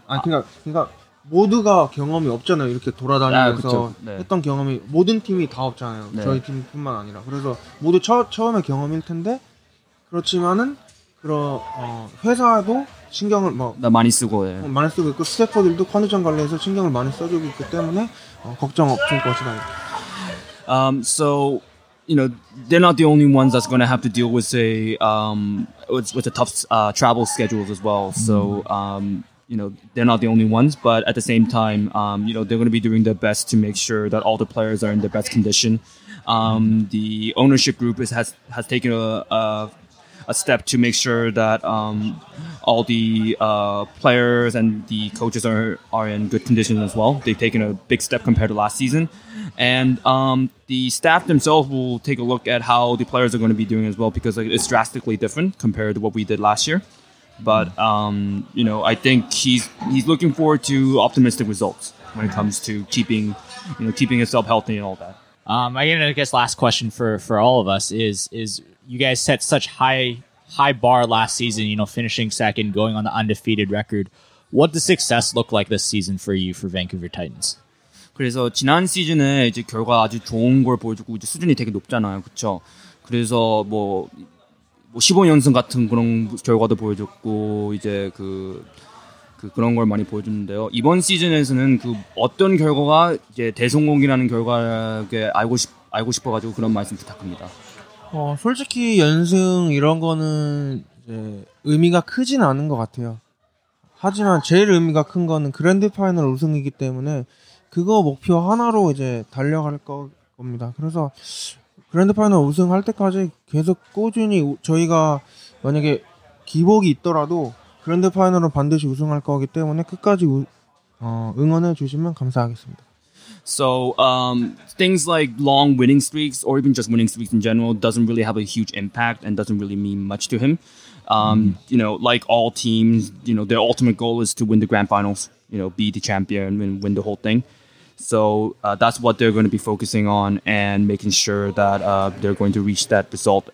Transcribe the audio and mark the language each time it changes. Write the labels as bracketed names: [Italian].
[Korean] 아니 그러니까 모두가 경험이 없잖아요. 이렇게 돌아다니면서 했던 경험이 모든 팀이 다 없잖아요. 네. 저희 팀뿐만 아니라. 그래서 모두 처음의 경험일 텐데 그렇지만은 회사도 신경을 많이 쓰고 많이 쓰고 있고 스태프들도 컨디션 관리에서 신경을 많이 써주고 있기 때문에 걱정 없을 것이다. [English] So you know they're not the only ones that's going to have to deal with a with a tough travel schedules as well. So you know, they're not the only ones, but at the same time, you know, they're going to be doing their best to make sure that all the players are in the best condition. The ownership group has taken a step to make sure that all the players and the coaches are in good condition as well. They've taken a big step compared to last season. And the staff themselves will take a look at how the players are going to be doing as well, because like, it's drastically different compared to what we did last year. But you know, I think he's looking forward to optimistic results when it comes to keeping himself healthy and all that. I guess last question for all of us is you guys set such high bar last season, you know, finishing second, going on the undefeated record. What does success look like this season for you for Vancouver Titans? [Korean] 그래서 지난 시즌에 이제 결과 아주 좋은 걸 보여주고 이제 수준이 되게 높잖아요, 그렇죠? 그래서 뭐 15연승 같은 그런 결과도 보여줬고 이제 그런 걸 많이 보여줬는데요. 이번 시즌에서는 그 어떤 결과가 이제 대성공이라는 결과에 알고 싶어 가지고 그런 말씀 부탁합니다. 솔직히 연승 이런 거는 이제 의미가 크진 않은 것 같아요. 하지만 제일 의미가 큰 거는 그랜드 파이널 우승이기 때문에 그거 목표 하나로 이제 달려갈 겁니다. 그래서 그랜드 파이널 우승할 때까지 계속 꾸준히 저희가 만약에 기복이 있더라도 그랜드 파이널은 반드시 우승할 거기 때문에 끝까지 응원해 주시면 감사하겠습니다. [English] So things like long winning streaks or even just winning streaks in general doesn't really have a huge impact and doesn't really mean much to him. You know, like all teams, you know, their ultimate goal is to win the grand finals, you know, be the champion and win the whole thing. So that's what they're going to be focusing on and making sure that they're going to reach that result.